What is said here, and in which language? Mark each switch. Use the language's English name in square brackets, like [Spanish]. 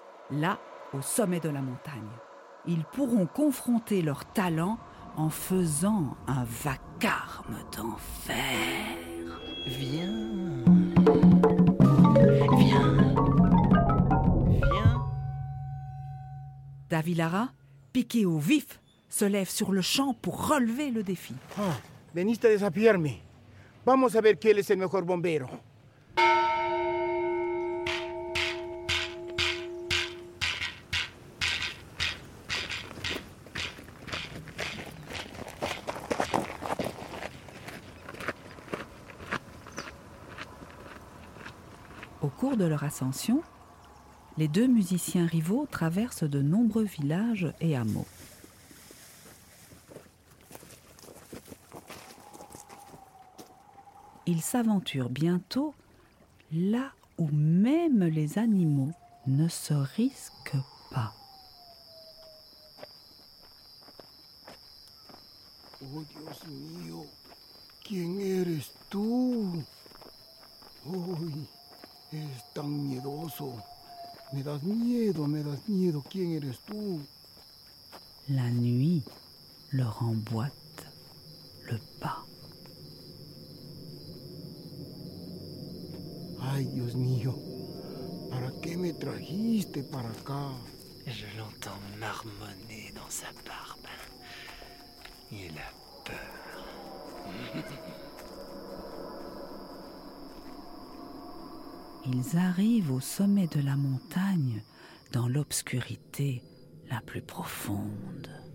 [French] Là, au sommet de la montagne, ils pourront confronter leurs talents en faisant un vacarme d'enfer. Viens. Viens. Viens. David Lara, piqué au vif, se lève sur le champ pour relever le défi. [Spanish] Ah, veniste a desafiarme. Vamos a ver quién es el mejor bombero. [French] Au cours de leur ascension, les deux musiciens rivaux traversent de nombreux villages et hameaux. Ils s'aventurent bientôt là où même les animaux ne se risquent pas. [Spanish] Oh, Dios mio, ¿quién eres tú? Uy, es tan miedoso. Me das miedo. ¿Quién eres tú? [French] La nuit leur emboîte le pas. Ay, Dios mío, ¿para qué me trajiste para acá? Je l'entends marmonner dans sa barbe. Il a peur. Ils arrivent au sommet de la montagne dans l'obscurité la plus profonde.